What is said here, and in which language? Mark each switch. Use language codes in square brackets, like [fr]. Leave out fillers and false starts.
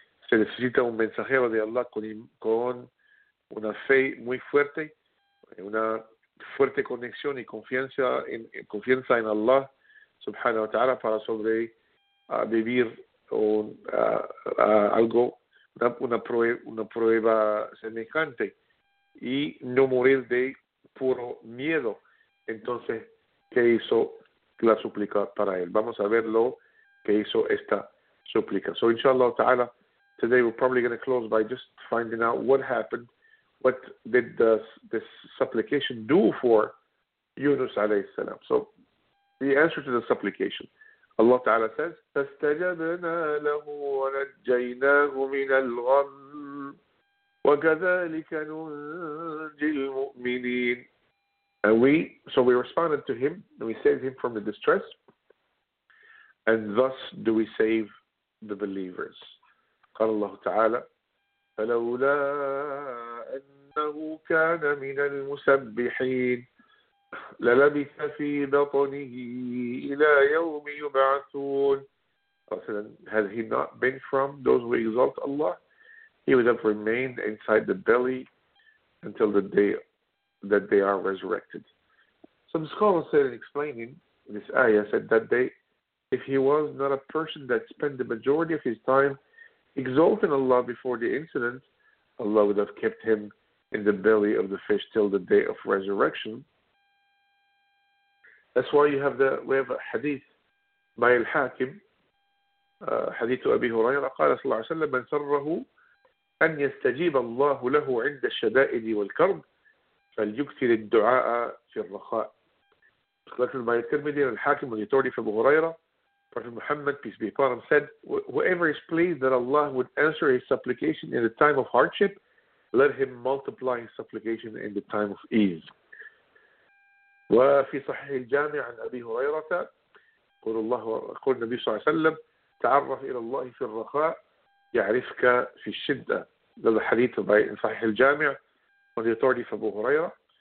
[es] Se necesita un mensajero de Allah con una fe muy fuerte, una fuerte conexión y confianza en Allah subhanahu wa ta'ala para sobrevivir una prueba semejante y no morir de puro miedo. Entonces, ¿qué hizo la súplica para él? Vamos a ver lo que hizo esta súplica. [en] So, inshallah ta'ala, today we're probably going to close by just finding out what happened. What did this supplication do for Yunus alayhi salam? So, the answer to the supplication. Allah ta'ala says, [ar] فَاسْتَجَبْنَا لَهُ وَنَجَّيْنَاهُ مِنَ الْغَمِّ وَكَذَلِكَ نُنْجِي الْمُؤْمِنِينَ. [en] So we responded to him, and we saved him from the distress, and thus do we save the believers. [ar] قال الله تعالى فلولا أنه كان من المسبحين للبث في بطنه إلى يوم يبعثون. [en] Had he not been from those who exalt Allah, he would have remained inside the belly until the day that they are resurrected. Some scholars said in explaining this ayah said that day, if he was not a person that spent the majority of his time exalting Allah before the incident, Allah would have kept him in the belly of the fish till the day of resurrection. That's why we have a hadith by al-Hakim, hadith to Abi Huraira, [ar] qala sallallahu alayhi wa sallam, man sarrahu أن يستجيب الله له عند الشدائد والكرب فليكثر الدعاء في الرخاء. [en] Collected by Tirmidhi al-Hakim with authority from Abu Huraira, Prophet Muhammad, peace be upon him, said, whoever is pleased that Allah would answer his supplication in the time of hardship, let him multiply his supplication in the time of ease. [ar] وفي صحيح الجامع عن أبي هريرة قول الله قول النبي صلى الله عليه وسلم تعرف إلى الله في الرخاء يعرفك في الشدة. هذا حديث في صحيح الجامع من [en] authority from Abu Huraira.